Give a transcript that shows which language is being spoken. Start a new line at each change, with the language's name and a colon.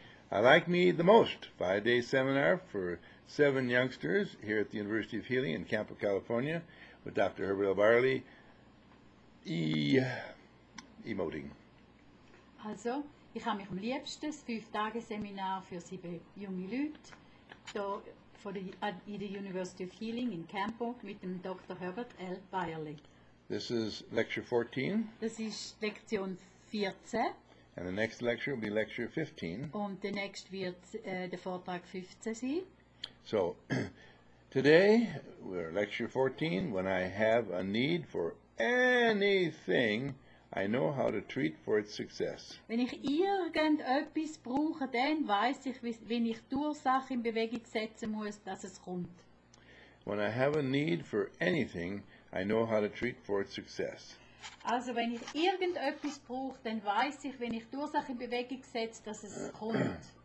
English: I like me the most 5-day seminar for 7 youngsters here at the University of Healy in Campo, California, with Dr. Herbert L. Varley emoting.
German: Also, ich habe mich am liebsten das 5-Tage-Seminar für 7 junge Leute hier in der University of Healing in Campo mit dem Dr. Herbert L. Varley.
English: This is lecture 14.
German: Das ist Lektion 14.
English: And the next lecture will be lecture 15.
German: Und der nächste wird der Vortrag 15 sein.
English: So, today we're lecture 14. When I have a need for anything, I know how to treat for its success.
German: Wenn ich irgendetwas brauche, dann weiß ich, wie ich die Ursache in Bewegung setzen muss, dass es kommt.
English: When I have a need for anything, I know how to treat for its success.
German: Also, wenn ich irgendetwas brauche, dann weiß ich, wenn ich die Ursache in Bewegung setze, dass es kommt.